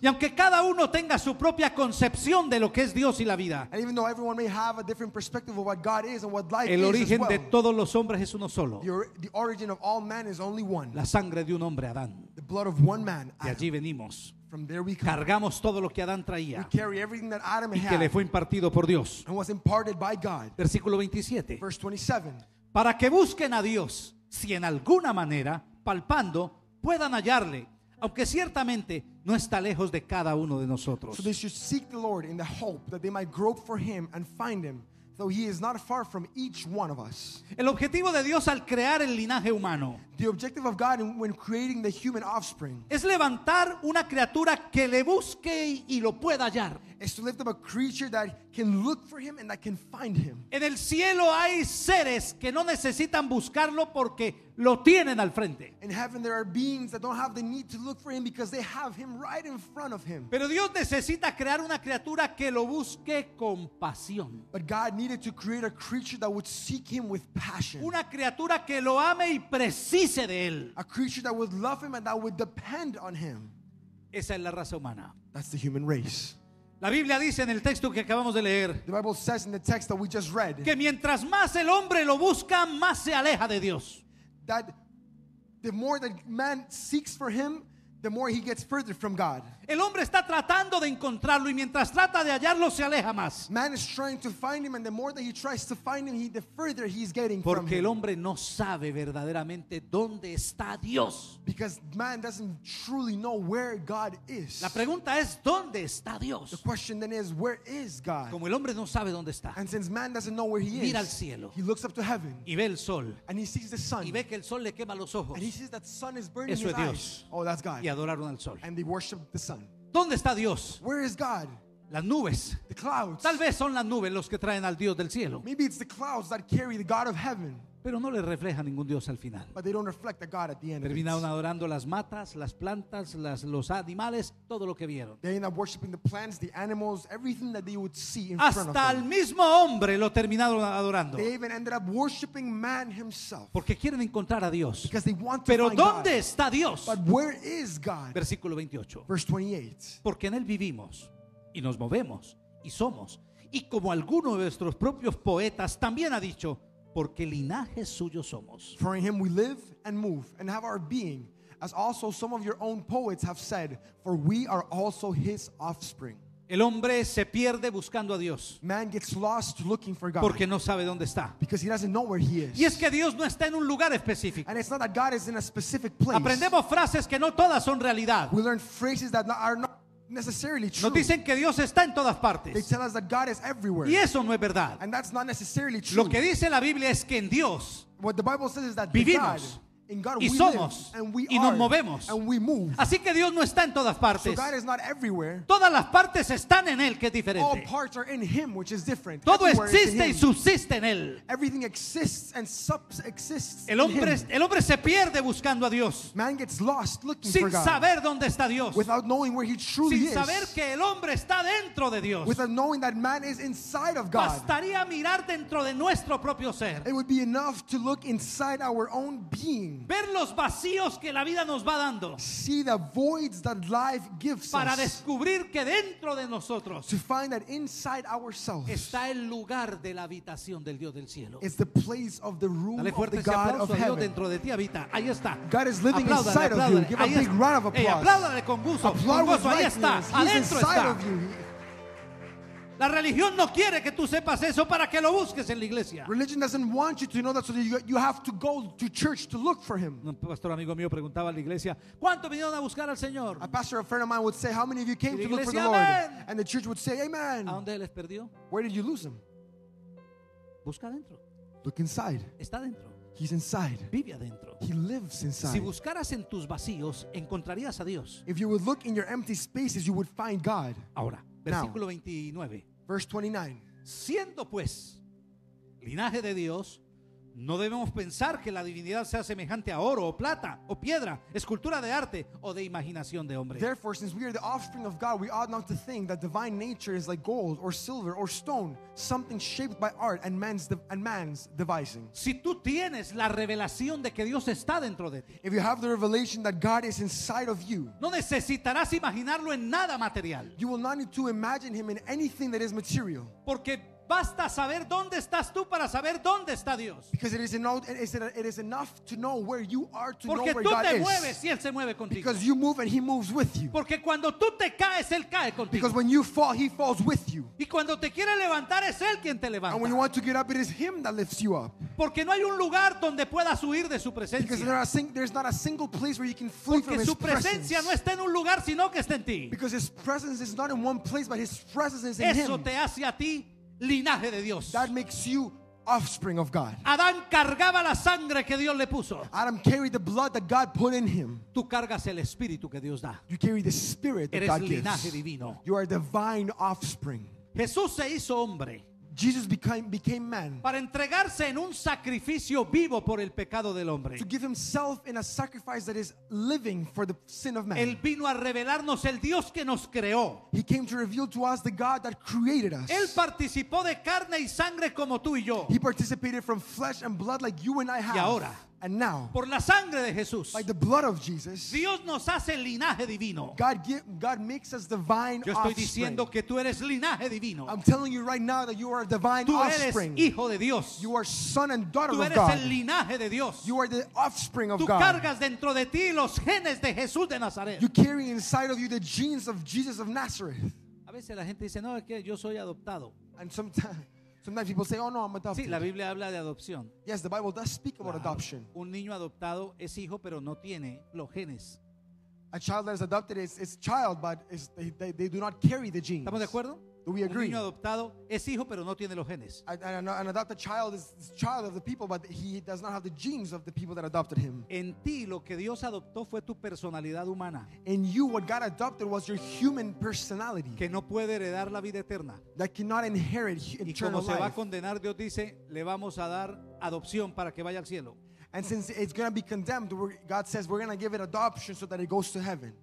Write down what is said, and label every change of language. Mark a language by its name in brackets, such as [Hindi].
[Spanish] Y aunque cada uno tenga su propia concepción de lo que es Dios y la vida, [English] and even though everyone may have a different perspective of what God is and what life [Spanish] el origen [English] is as well, [Spanish] de todos los hombres es uno solo. [English] The origin of all man is only one. [Spanish] La sangre de un hombre, Adán. [English] The blood of one man, Adam. [Spanish] De allí venimos. [English] From there we come. [Spanish] Cargamos todo lo que Adán traía. [English] We carry everything that Adam [Spanish] y que [English] had [Spanish] le fue impartido por Dios. [English] And was imparted by God. [Spanish] Versículo 27. [English] Verse 27. [Spanish] Para que busquen a Dios, si en alguna manera, palpando, puedan hallarle. Aunque ciertamente no está lejos de cada uno de nosotros. [English] So they should seek the Lord in the hope that they might grope for him and find him, though he is not far from each one of us. [Spanish] El objetivo de Dios al crear el linaje humano, [English] the objective of God when creating the human offspring, [Spanish] es levantar una criatura que le busque y lo pueda hallar. [English] Is to lift up a creature that can look for him and that can find him. [Spanish] En el cielo hay seres que no necesitan buscarlo porque lo tienen al frente. [English] In heaven there are beings that don't have the need to look for him because they have him right in front of him. [Spanish] Pero Dios necesita crear una criatura que lo busque con pasión. [English] But God needed to create a creature that would seek him with passion. [Spanish] Una criatura que lo ame y precise de él. [English] A creature that would love him and that would depend on him. [Spanish] Esa es la raza humana. [English] That's the human race. [Spanish] La Biblia dice en el texto que acabamos de leer, [English] the Bible says in the text that we just read, [Spanish] que mientras más el hombre lo busca, más se aleja de Dios. [English] That the more that man seeks for him, the more he gets further from God. [Spanish] El hombre está tratando de encontrarlo y mientras trata de hallarlo se aleja más. [English] Man is trying to find him and the more that he tries to find him, the further he's getting [Spanish] porque [English] from him. [Spanish] Porque el hombre no sabe verdaderamente dónde está Dios. [English] Because man doesn't truly know where God is. [Spanish] La pregunta es dónde está Dios. [English] The question then is where is God? [Spanish] Como el hombre no sabe dónde está. [English] And since man doesn't know where he is. [Spanish] Mira al cielo. [English] He looks up to heaven. [Spanish] Y ve el sol. [English] And he sees the sun. [Spanish] Y ve que el sol le quema los ojos. [English] And he sees that sun is burning [Spanish] eso [English] his [Spanish] es Dios. [English] Eyes. Oh, that's God. [Spanish] Y adoraron al sol. [English] And they worship the sun. [Spanish] ¿Dónde está Dios? [English] Where is God? [Spanish] Las nubes. [English] The clouds. [Spanish] Tal vez son las nubes los que traen al Dios del cielo. [English] Maybe it's the clouds that carry the God of heaven. [Spanish] Pero no le refleja ningún Dios al final. [English] But they don't reflect a God at the end. [Spanish] Terminaron adorando las matas, las plantas, los animales, todo lo que vieron. [English] They end up worshiping the plants, the animals, everything that they would see in [Spanish] hasta [English] front of them. [Spanish] Hasta al mismo hombre lo terminaron adorando. [English] They even ended up worshiping man himself. [Spanish] Porque quieren encontrar a Dios. [English] Because they want to [Spanish] pero [English] find [Spanish] ¿dónde [English] God. [Spanish] Está Dios? [English] But where is God? [Spanish] Versículo 28. [English] Verse 28. [Spanish] Porque en él vivimos y nos movemos y somos. Y como alguno de nuestros propios poetas también ha dicho, porque linaje suyo somos. [English] For in him we live and move and have our being, as also some of your own poets have said, for we are also his offspring. [Spanish] El hombre se pierde buscando a Dios. [English] Man gets lost looking for God. [Spanish] Porque no sabe dónde está. [English] Because he doesn't know where he is. [Spanish] Y es que Dios no está en un lugar específico. [English] And it's not that God is in a specific place. [Spanish] Aprendemos frases que no todas son realidad. [English] We learn phrases that are not necessarily true. [Spanish] Nos dicen que Dios está en todas partes. [English] They tell us that God is everywhere. [Spanish] Y eso no es verdad. [English] And that's not necessarily true. [Spanish] Lo que dice la Biblia es que en Dios [English] what the Bible says is that [Spanish] vivimos. [English] God, in God, [Spanish] y [English] we [Spanish] somos [English] live, and we [Spanish] y nos [English] are, [Spanish] movemos [English] and we move. [Spanish] Así que Dios no está en todas partes. [English] So God is not everywhere. [Spanish] Todas las partes están en Él, que es diferente. [English] All parts are in Him, which is different. [Spanish] Todo existe y subsiste en Él. [English] Everything exists and exists. [Spanish] El hombre se pierde buscando a Dios. [English] Man gets lost looking [Spanish] sin [English] for God, [Spanish] saber dónde está Dios. [English] Without knowing where he truly is, [Spanish] saber que el hombre está dentro de Dios. [English] Without knowing that man is inside of God. [Spanish] Bastaría mirar dentro de nuestro propio ser. [English] It would be enough to look inside our own being. [Spanish] Ver los vacíos que la vida nos va dando. [English] See the voids that life gives us. [Spanish] Para descubrir que dentro de nosotros [English] to find that inside ourselves [Spanish] está el lugar de la habitación del Dios del cielo. [English] It's the place of the room of the God of heaven. [Spanish] Dentro de ti habita. Ahí está. [English] God is living inside of you. Give a big round of applause. [Spanish] Apláudale con gusto. Ahí está. Adentro está. La religión no quiere que tú sepas eso para que lo busques en la iglesia. [English] Religion doesn't want you to know that, so that you have to go to church to look for him. [Spanish] Un pastor amigo mío preguntaba a la iglesia, ¿cuántos vinieron a buscar al Señor? [English] A pastor, a friend of mine would say, how many of you came to look for the amen. Lord? And the church would say, amen. [Spanish] ¿A dónde les perdió? [English] Where did you lose him? [Spanish] Busca adentro. [English] Look inside. [Spanish] Está adentro. [English] He's inside. [Spanish] Vive adentro. [English] He lives inside. [Spanish] Si buscaras en tus vacíos, encontrarías a Dios. [English] If you would look in your empty spaces, you would find God. [Spanish] Ahora, versículo 29. [English] Verse 29. [Spanish] Siendo pues linaje de Dios, no debemos pensar que la divinidad sea semejante a oro o plata o piedra, escultura de arte o de imaginación de hombre. [English] Therefore, since we are the offspring of God, we ought not to think that divine nature is like gold or silver or stone, something shaped by art and man's devising. [Spanish] Si tú tienes la revelación de que Dios está dentro de ti, [English] if you have the revelation that God is inside of you, [Spanish] no necesitarás imaginarlo en nada material. [English] You will not need to imagine him in anything that is material. [Spanish] Porque basta saber dónde estás tú para saber dónde está Dios. [English] Because it is enough, to know where you are to [Spanish] porque [English] know where God is. [Spanish] Porque tú te mueves y Él se mueve contigo. [English] Because you move and He moves with you. [Spanish] Porque cuando tú te caes, Él cae contigo. [English] Because when you fall, He falls with you. [Spanish] Y cuando te quiere levantar, es Él quien te levanta. [English] And when you want to get up, it is Him that lifts you up. [Spanish] Porque no hay un lugar donde puedas huir de su presencia. [English] Because there's not a single place where you can flee [Spanish] porque [English] from [Spanish] su presencia [English] presence. [Spanish] No está en un lugar, sino que está en ti. [English] Because His presence is not in one place, but His presence is [Spanish] eso [English] in Him. [Spanish] Eso te hace a ti linaje de Dios. [English] That makes you offspring of God. [Spanish] Adán cargaba la sangre que Dios le puso. [English] Adam carried the blood that God put in him. [Spanish] Tú cargas el espíritu que Dios da. [English] You carry the spirit [Spanish] eres [English] that God [Spanish] linaje [English] gives. [Spanish] Divino. [English] You are divine offspring. [Spanish] Jesús se hizo hombre. [English] Jesus became man. [Spanish] Para entregarse en un sacrificio vivo por el pecado del hombre. [English] To give himself in a sacrifice that is living for the sin of man. [Spanish] Él vino a revelarnos el Dios que nos creó. [English] He came to reveal to us the God that created us. [Spanish] Él participó de carne y sangre como tú y yo. [English] He participated from flesh and blood like you and I have. [Spanish] Y ahora, [English] and now, [Spanish] por la sangre de Jesús, [English] by the blood of Jesus, [Spanish] Dios nos hace linaje divino. [English] God makes us divine offspring. [Spanish] Yo estoy diciendo que tú eres linaje divino. [English] I'm telling you right now that you are a divine offspring. [Spanish] Tú eres Hijo de Dios. [English] You are son and daughter [Spanish] tú [English] of God. [Spanish] Tú eres el linaje de Dios. [English] You are the offspring of [Spanish] tú [English] God. [Spanish] Tú cargas dentro de ti los genes de Jesús de Nazaret. [English] You carry inside of you the genes of Jesus of Nazareth. [Spanish] A veces la gente dice, no, es que yo soy adoptado. [English] And sometimes people say, oh no, I'm adopted. [Spanish] Sí, la Biblia habla de adopción. [English] Yes, the Bible does speak about adoption. [Spanish] Un niño adoptado es hijo, pero no tiene los genes. [English] A child that is adopted is child, but they do not carry the genes. [Spanish] ¿Estamos de acuerdo? [English] Do we agree? [Spanish] Un niño adoptado es hijo, pero no tiene los genes. [English] An adopted child is child of the people, but he does not have the genes of the people that adopted him. [Spanish] En ti lo que Dios adoptó fue tu personalidad humana. [English] In you, what God adopted was your human personality. [Spanish] Que no puede heredar la vida eterna. [English] That cannot inherit eternal life. [Spanish] Y como se va a condenar, Dios dice, le vamos a dar adopción para que vaya al cielo. [English] And since it's going to be condemned, God says we're going to give it adoption so that it goes to heaven.